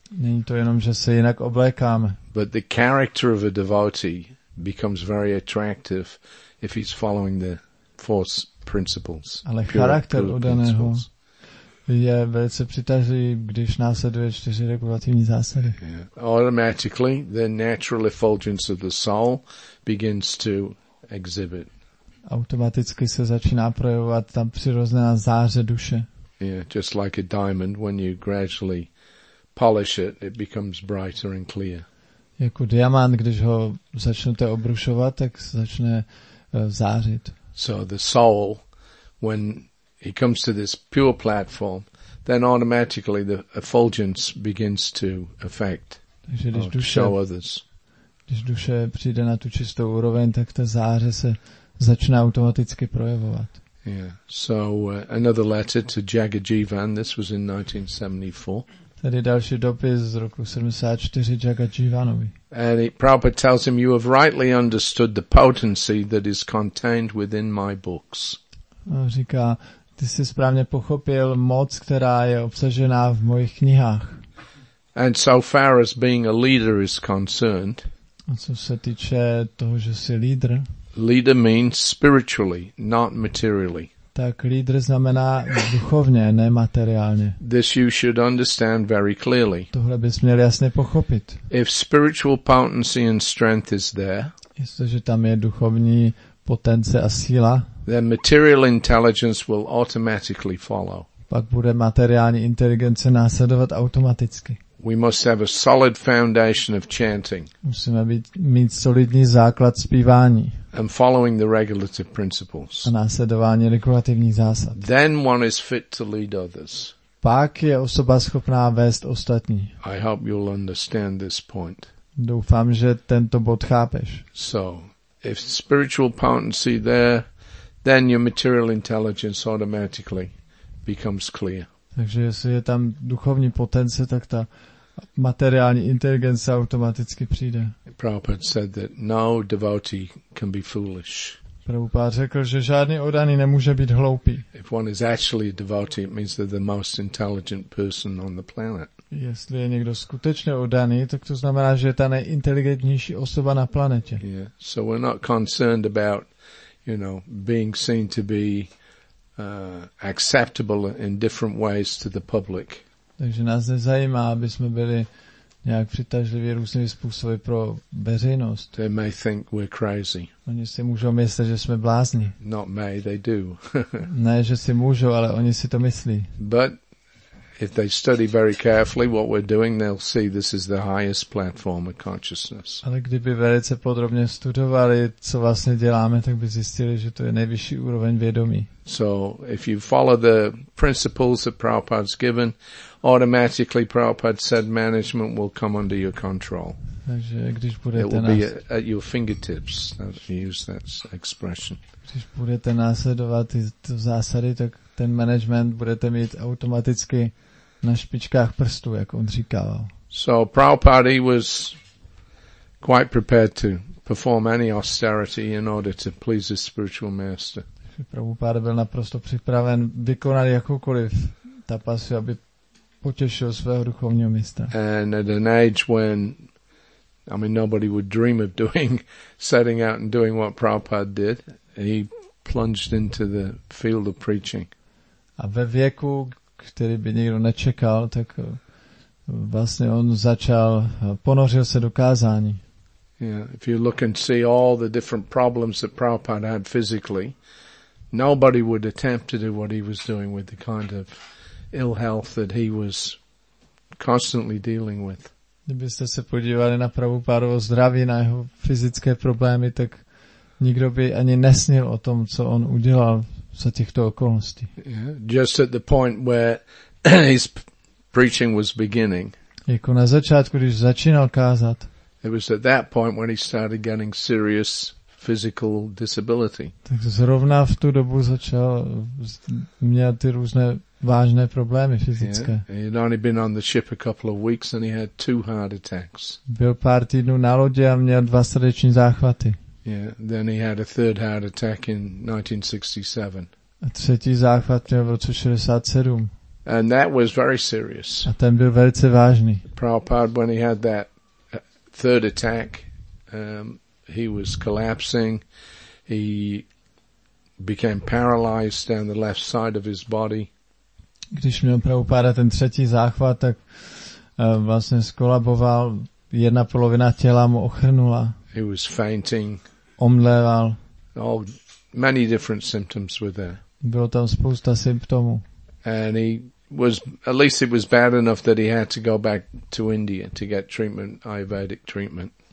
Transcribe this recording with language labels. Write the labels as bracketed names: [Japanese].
[Czech] Není to jenom, že se jinak oblékáme. [English] But the character of a devotee becomes very attractive if he's following the four principles. [Czech] Ale charakter daného je velice přitažlivý, když následuje čtyři regulativní zásady. [English] Yeah. Automatically, the natural effulgence of the soul begins to exhibit. [Czech] Automaticky se začíná projevovat ta přirozená záře duše. [English] Yeah, just like a diamond, when you gradually polish it, it becomes brighter and clear. [Czech] Jako diamant, když ho začnete obrušovat, tak se začne zářit. [English] So the soul, when he comes to this pure platform, then automatically the effulgence begins to affect or to show others. [Czech] Když duše přijde na tu čistou úroveň, tak ta záře se začne automaticky projevovat. [English] Yeah. So another letter to Jagajivan. This was in 1974. [Czech] Tady další dopis z roku 74 Jagajivanovi. [English] And Prabhupada tells him, you have rightly understood the potency that is contained within my books. [Czech] Říká, ty jsi správně pochopil moc, která je obsažená v mojich knihách. [English] And so far as being a leader is concerned. [Czech] A co se týče toho, že jsi lídr. [English] Leader means spiritually, not materially. [Czech] Tak lídr znamená duchovně, ne materiálně. [English] This you should understand very clearly. [Czech] Tohle bys měl jasně pochopit. [English] If spiritual potency and strength is there. [Czech] Jestliže tam je duchovní potence a síla. [English] Then material intelligence will automatically follow. [Czech] Pak bude materiální inteligence následovat automaticky. [English] We must have a solid foundation of chanting. [Czech] Musíme mít solidní základ zpívání. [English] And following the regulative principles. [Czech] A následování regulativních zásad. [English] Then one is fit to lead others. [Czech] Pak je osoba schopná vést ostatní. [English] I hope you'll understand this point. [Czech] Doufám, že tento bod chápeš. [English] So, if spiritual potency there, then your material intelligence automatically becomes clear. [Czech] Takže jestli je tam duchovní potence, tak ta materiální inteligence automaticky přijde. [English] Prabhupada said that no devotee can be foolish. [Czech] Prabhupada řekl, že žádný oddaný nemůže být hloupý. [English] If one is actually a devotee, it means they're the most intelligent person on the planet. [Czech] Jestli je někdo skutečně oddaný, tak to znamená, že je ta nejinteligentnější osoba na planetě. [English] Yeah. So we're not concerned about, you know, being seen to be acceptable in different ways to the public. [Czech] Takže nás nezajímá, aby jsme byli nějak přitažlivě různými způsoby pro veřejnost. [English] They may think we're crazy. [Czech] Oni si můžou myslet, že jsme blázni. [English] Not may, they do. [Czech] Ne, že si můžou, ale oni si to myslí. [English] But if they study very carefully what we're doing, they'll see this is the highest platform of consciousness. [Czech] Ale kdyby velice podrobně studovali, co vlastně děláme, tak by zjistili, že to je nejvyšší úroveň vědomí. [English] So if you follow the principles that Prabhupada's given, automatically Prabhupada said management will come under your control. [Czech] Takže když budete [English] It will be at your fingertips. I've used that expression. [Czech] Když budete následovat ty zásady, tak ten management budete mít automaticky na špičkách prstů, jak on říkal. [English] So Prabhupada was quite prepared to perform any austerity in order to please his spiritual master. [Czech] Prabhupada byl naprosto připraven vykonat jakoukoliv tapasu, aby potěšil svého duchovního mistra. [English] And at an age when I mean nobody would dream of doing setting out and doing what Prabhupada did, he plunged into the field of preaching. [Czech] A ve věku, který by nikdo nečekal, tak vlastně on začal, ponořil se do kázání. [English] Yeah, if you look and see all the different problems that Prabhupada had physically, nobody would attempt to do what he was doing with the kind of ill health that he was constantly dealing with. [Czech] Kdybyste se podívali na Prabhupádovo zdraví, na jeho fyzické problémy, tak nikdo by ani nesnil o tom, co on udělal za těchto okolností. [English] Yeah, just at the point where his preaching was beginning. [Czech] Jako na začátku, když začínal kázat. [English] It was at that point when he started getting serious physical disability. [Czech] Tak zrovna v tu dobu začal měl ty různé vážné problémy fyzické. [English] Yeah, he'd only been on the ship a couple of weeks and he had two heart attacks. [Czech] Byl pár týdnů na lodi a měl dva srdeční záchvaty. [English] Yeah, then he had a third heart attack in 1967. [Czech] A třetí záchvat měl v roce 67. [English] And that was very serious. [Czech] A ten byl velice vážný. [English] Prabhupada, when he had that third attack, he was collapsing. He became paralyzed down the left side of his body. [Czech] Když měl Prabhupada ten třetí záchvat, tak vlastně skolaboval. Jedna polovina těla mu ochrnula. [English] He was fainting. [Czech] Omdleval. [English] Oh, many different symptoms were there. [Czech] Bylo tam spousta symptomů. [English] And he was, at least it was bad enough that he had to go back to India to get treatment, Ayurvedic treatment.